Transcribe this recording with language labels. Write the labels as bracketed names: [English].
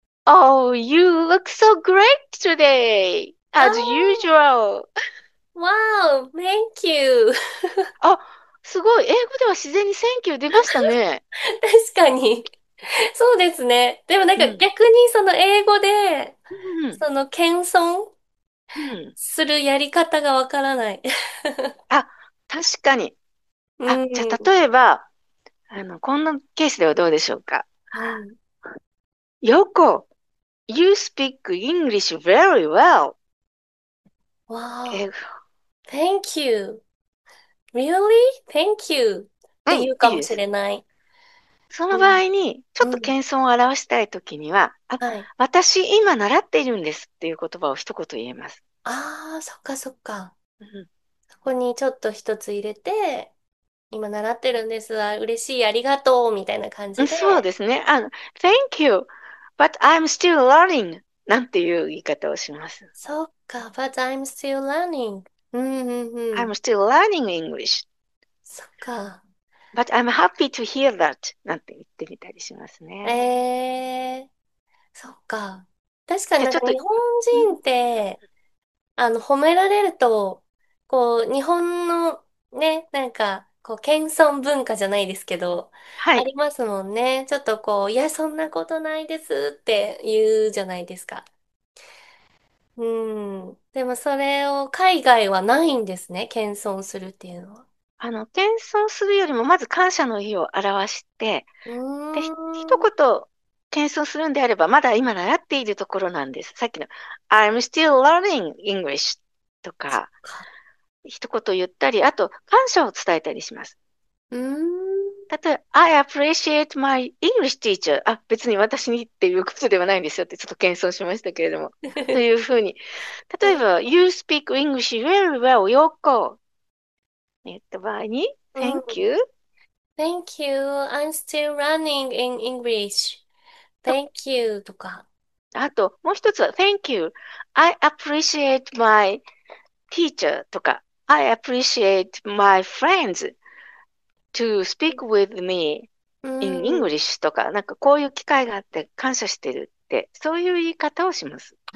[English] Oh, you look so great today as usual. Wow, thank you. [Japanese] あ、すごい。英語では自然に [English] Thank you [Japanese] 出ましたね。確かに。そうですね。でもなんか逆にその英語で、その謙遜するやり方がわからない。あ、確かに。あ、じゃあ例えば、こんなケースではどうでしょうか。 [English] ヨコ、You speak English very well. Wow. Thank you. Really? Thank you. [Japanese] って言うかもしれない。その場合に、ちょっと謙遜を表したいときには、うん、あ、はい、私今習っているんですっていう言葉を一言言えます。ああ、そっかそっか、うん。そこにちょっと一つ入れて、今習ってるんですわ、嬉しい、ありがとう、みたいな感じで。そうですね。 [English] Thank you, but I'm still learning. [Japanese] なんていう言い方をします。そっか、 [English] but I'm still learning. I'm still learning English. [Japanese] そっか。 [English] But I'm happy to hear that. [Japanese] なんて言ってみたりしますね。そっか。確かに、日本人って、褒められると、こう、日本のね、なんか、こう、謙遜文化じゃないですけど、はい、ありますもんね。ちょっとこう、いや、そんなことないですって言うじゃないですか。でもそれを海外はないんですね、謙遜するっていうのは。謙遜するよりも、まず感謝の意を表して、で、一言、謙遜するんであれば、まだ今習っているところなんです。さっきの、 [English] I'm still learning English [Japanese] とか、一言言ったり、あと、感謝を伝えたりします。 [English] 例えば、I appreciate my English teacher. [Japanese] あ、別に私にっていうことではないんですよって、ちょっと謙遜しましたけれども。というふうに。 [English] 例えば、You speak English very well, Yoko. [Japanese] 言った場合に、 [English] Thank you. Thank you. I'm still learning in English. Thank you. [Japanese] とか。あと、もう一つは、 [English] Thank you. I appreciate my teacher. [Japanese] とか。 [English] I appreciate my friends to speak with me in English [Japanese] とか、なんかこういう機会があって感謝してるって、そういう言い方をします。